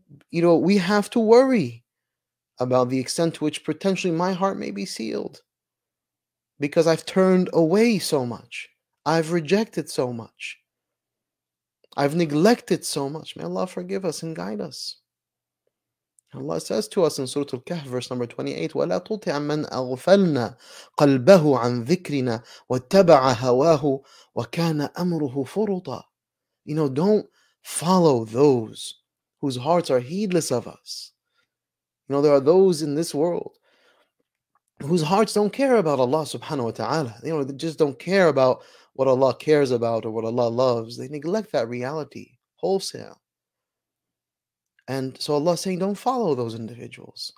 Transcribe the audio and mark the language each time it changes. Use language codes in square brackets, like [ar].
[en] You know, we have to worry about the extent to which potentially my heart may be sealed, because I've turned away so much. I've rejected so much. I've neglected so much. May Allah forgive us and guide us. Allah says to us in Surah Al-Kahf, verse number 28, [ar] وَلَا تُطِعْ مَنْ أَغْفَلْنَا قَلْبَهُ عَنْ ذِكْرِنَا وَاتَّبَعَ هَوَاهُ وَكَانَ أَمْرُهُ فُرُطًا. [en] You know, don't follow those whose hearts are heedless of us. You know, there are those in this world whose hearts don't care about Allah subhanahu wa ta'ala. You know, they just don't care about what Allah cares about or what Allah loves. They neglect that reality wholesale. And so Allah is saying, don't follow those individuals.